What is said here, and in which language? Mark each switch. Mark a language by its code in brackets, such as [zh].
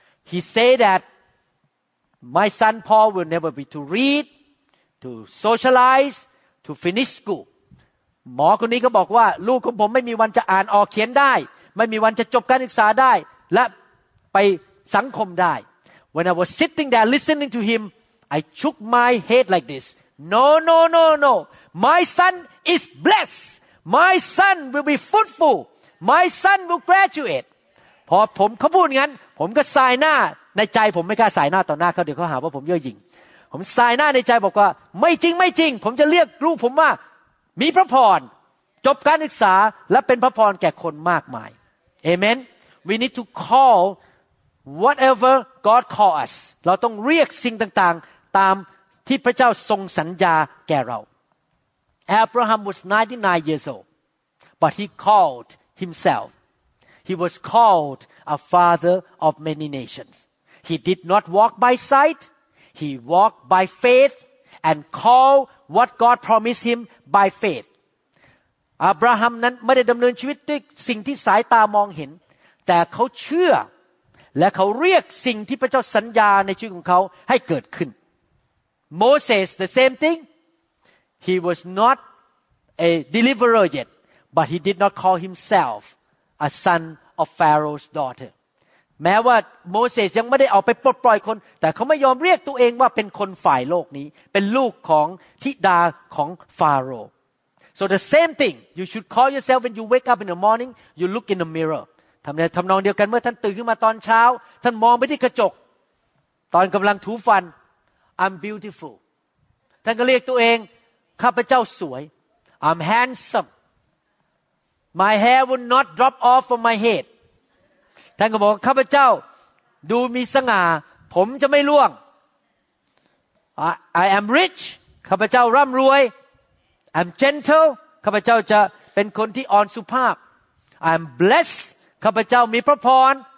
[en] He said thatMy son Paul will never be to read, to socialize, to finish school. [th] หมอคนนี้ก็บอกว่าลูกของผมไม่มีวันจะอ่านออกเขียนได้ไม่มีวันจะจบการศึกษาได้และไปสังคมได้ [en] When I was sitting there listening to him, I shook my head like this. No. My son is blessed. My son will be fruitful. My son will graduate. [th] พอผมเขาพูดงั้นผมก็สายหน้าในใจผมไม่กล้าสายหน้าต่อหน้าเขาเดี๋ยวเขาหาว่าผมเย่อหยิ่งผมสายหน้าในใจบอกว่าไม่จริงผมจะเรียกลูกผมว่ามีพระพรจบการศึกษาและเป็นพระพรแก่คนมากมายเอเมน [en] We need to call whatever God call us [th] เราต้องเรียกสิ่งต่างๆตามที่พระเจ้าทรงสัญญาแก่เรา [en] Abraham was 99 years old but he called himself he was called a father of many nationsHe did not walk by sight. He walked by faith and called what God promised him by faith. [th] Abraham นั้นไม่ได้ดำเนินชีวิตด้วยสิ่งที่สายตามองเห็นแต่เขาเชื่อและเขาเรียกสิ่งที่พระเจ้าสัญญาในชีวิตของเขาให้เกิดขึ้น [en] Moses the same thing. He was not a deliverer yet, but he did not call himself a son of Pharaoh's daughter. [th] แม้ว่าโมเสสยังไม่ได้ออกไปปลดปล่อยคนแต่เขาไม่ยอมเรียกตัวเองว่าเป็นคนฝ่ายโลกนี้เป็นลูกของธิดาของฟาโรห์ [en] So the same thing you should call yourself when you wake up in the morning you look in the mirror [th] ทำนองเดียวกันเมื่อท่านตื่นขึ้นมาตอนเช้าท่านมองไปที่กระจกตอนกำลังถูฟัน [en] I'm beautiful [th] ท่านก็เรียกตัวเองข้าพเจ้าสวย [en] I'm handsome my hair will not drop off from my head [th] ท่านก็บอกข้าพเจ้าดูมีสง่าผมจะไม่ร่วง [en] I am rich [th] ข้าพเจ้าร่ำรวย [en] I'm gentle [th] ข้าพเจ้าจะเป็นคนที่อ่อนสุภาพ [en] I'm blessed [th] ข้าพเจ้ามีพระพร